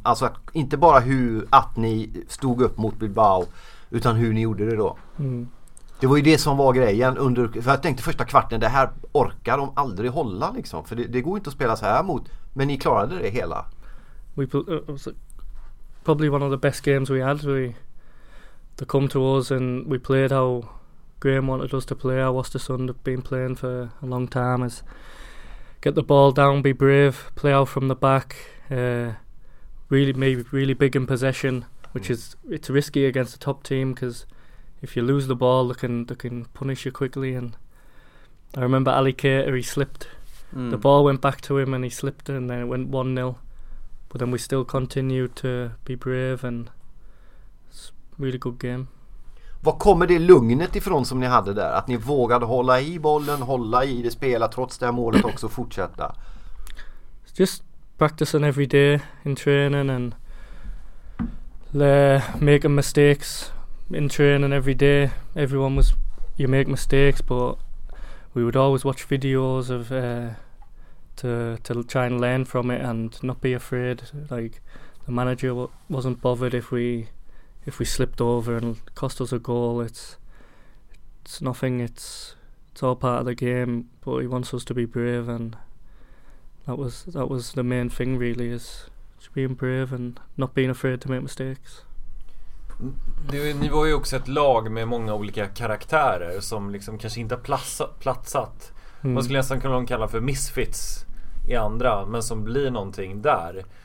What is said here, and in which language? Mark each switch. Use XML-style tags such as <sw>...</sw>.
<sv>Alltså att, inte bara hur att ni stod upp mot Bilbao utan hur ni gjorde det då. Mm. Det var ju det som var grejen under, för jag tänkte första kvarten, det här orkar de aldrig hålla liksom, för det går inte att spela så här mot, men ni klarade det hela.</sv> <en>Probably one of the best games we had. They come to us and we played how Graham wanted us to play. How Östersund have been playing for a long time is get the ball down, be brave, play out from the back, really maybe really big in possession, which is, it's risky against a top team because if you lose the ball they can punish you quickly. And I remember Ali Keita, he slipped. Mm. The ball went back to him and he slipped and then it went 1-0. But then we still continued to be brave and really good game.</en> <sv>Var kommer det lugnet ifrån som ni hade där? Att ni vågade hålla i bollen, hålla i det, spela trots det här målet också och fortsätta?</sv> <en>Just practicing every day in training and making mistakes in training every day. Everyone was, you make mistakes, but we would always watch videos of to try and learn from it and not be afraid. Like, the manager wasn't bothered if we slipped over and cost us a goal. It's nothing. It's all part of the game. But he wants us to be brave, and that was the main thing really, is just being brave and not being afraid to make mistakes.</en> <sv>Ni var ju också ett lag med många olika karaktärer som liksom kanske inte har platsat. Man skulle nästan kunna kalla för misfits i andra, men som blir någonting där.</sv>